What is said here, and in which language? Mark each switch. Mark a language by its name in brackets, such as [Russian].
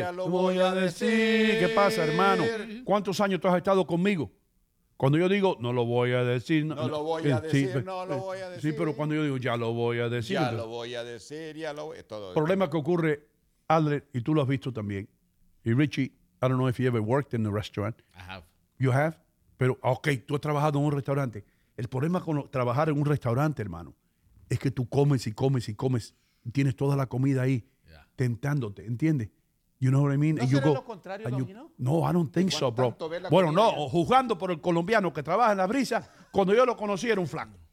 [Spanish] Ya lo voy a decir. ¿Qué pasa, hermano? ¿Cuántos años tú has estado conmigo? Cuando yo digo, no lo voy a decir. No lo voy a decir, no lo voy a decir. Sí, pero cuando yo digo, ya lo voy a decir. Ya lo voy a decir, ya lo voy a decir. Problema que ocurre, Adler, y tú lo has visto también. [English] Y Richie, I don't know if you ever worked in a restaurant. I have. You have? [Spanish] Pero, ok, tú has trabajado en un restaurante. El problema con trabajar en un restaurante, hermano, es que tú comes y comes y comes. Tienes toda la comida ahí, [English] yeah, [Spanish] tentándote, ¿entiendes? [English] You know what I mean? [Spanish] ¿No será lo contrario, Domino? [English] No, I don't think so, bro. [Spanish] Bueno, no, juzgando por el colombiano que trabaja en La Brisa, cuando yo lo conocí era un flaco.